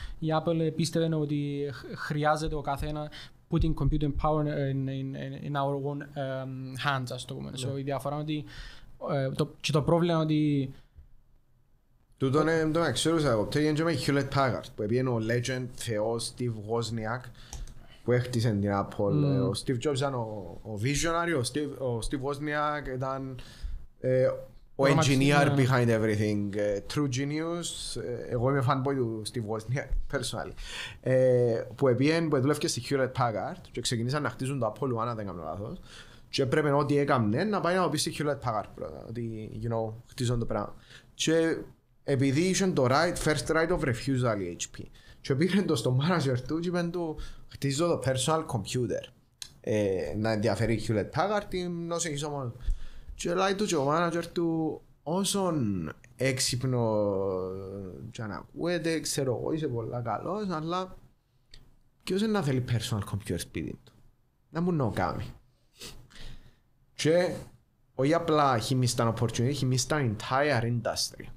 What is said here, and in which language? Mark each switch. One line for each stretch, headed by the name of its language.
Greek: Η Apple πίστευε ότι χρειάζεται ο καθένα
English: putting computing power in our own hands,
Greek: ας το πούμε.
English: Yeah. So,
Greek: η διαφορά είναι ότι και το πρόβλημα ότι τούτο είναι το εξήρουσα εγώ. Το είχε με Hewlett Packard που έπιεν ο legend, θεός, Steve Wozniak που έχτισε την Apple. Ο Steve Jobs ήταν ο visionary, ο Steve Wozniak ήταν ο
English: engineer behind everything. True genius.
Greek: Εγώ είμαι fanboy του Steve Wozniak, personally. Που έπιεν, που δουλεύκε στη Hewlett Packard και ξεκινήσαν να χτίζουν το Apple 1, δεν κάνω λάθος. Και έπρεπε ό,τι έκαμε να πάει να πει στη Hewlett Packard πρώτα, ότι,
English: you know,
Greek: χτίζουν το πράγμα. Επειδή είχε το right,
English: first right of refusal
Greek: η HP και πήρε το στο manager του και είπε του χτίζω το personal computer να ενδιαφέρει Hewlett Packard ή να σε χίσω μόνο και λέει του και ο manager του όσο έξυπνο και να ακούεται ξέρω εγώ είσαι πολύ καλός αλλά ποιος είναι να θέλει personal computer σπίτι του να μου νο κάνει και όχι απλά
English: he missed an opportunity, he missed an entire industry.